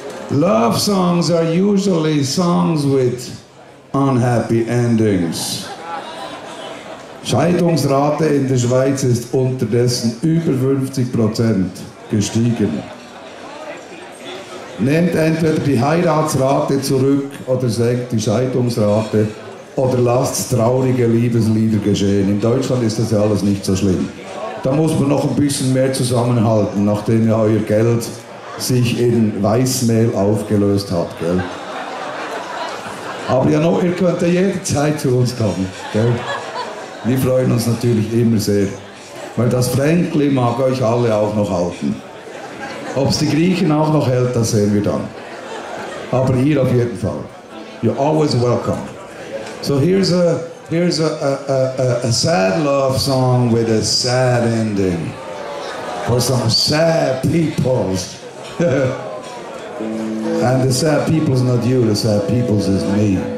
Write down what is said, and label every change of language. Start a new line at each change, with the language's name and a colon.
English: Love songs are usually songs with unhappy endings.
German: Scheidungsrate in der Schweiz ist unterdessen über 50% gestiegen. Nehmt entweder die Heiratsrate zurück oder senkt die Scheidungsrate oder lasst traurige Liebeslieder geschehen. In Deutschland ist das ja alles nicht so schlimm. Da muss man noch ein bisschen mehr zusammenhalten, nachdem ja euer Geld sich in Weißmehl aufgelöst hat, gell? Aber ja, noch, ihr könnt ja jederzeit zu uns kommen, gell? Wir freuen uns natürlich immer sehr, weil das Fränkli mag euch alle auch noch halten. Ob es die Griechen auch noch hält, das sehen wir dann. Aber hier auf jeden Fall.
English: You're always welcome. So here's a sad love song with a sad ending. For some sad peoples. And the sad peoples not you, the sad peoples is me.